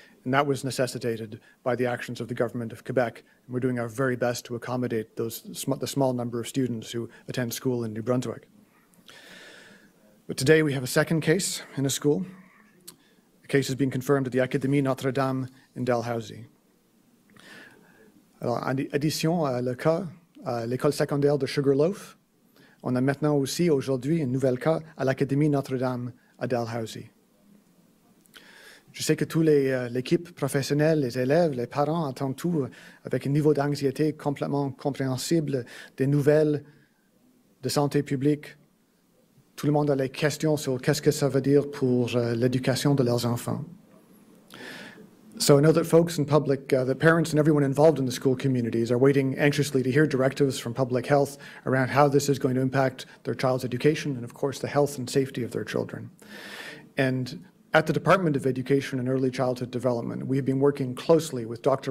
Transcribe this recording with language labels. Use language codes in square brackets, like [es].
[en] And that was necessitated by the actions of the government of Quebec. And we're doing our very best to accommodate the small number of students who attend school in New Brunswick. But today we have a second case in a school. The case has been confirmed at the Académie Notre-Dame in Dalhousie. [fr] Alors, en addition à le cas à l'école secondaire de Sugarloaf, on a maintenant aussi aujourd'hui un nouvel cas à l'Académie Notre-Dame à Dalhousie. Je sais que tous l'équipe professionnelle, les élèves, les parents attendent tout avec un niveau d'anxiété complètement compréhensible des nouvelles de santé publique. Tout le monde a les questions sur qu'est-ce que ça veut dire pour l'éducation de leurs enfants. [en] So I know that folks in public, the parents and everyone involved in the school communities are waiting anxiously to hear directives from public health around how this is going to impact their child's education and, of course, the health and safety of their children. And at the Department of Education and Early Childhood Development, we've been working closely with Dr.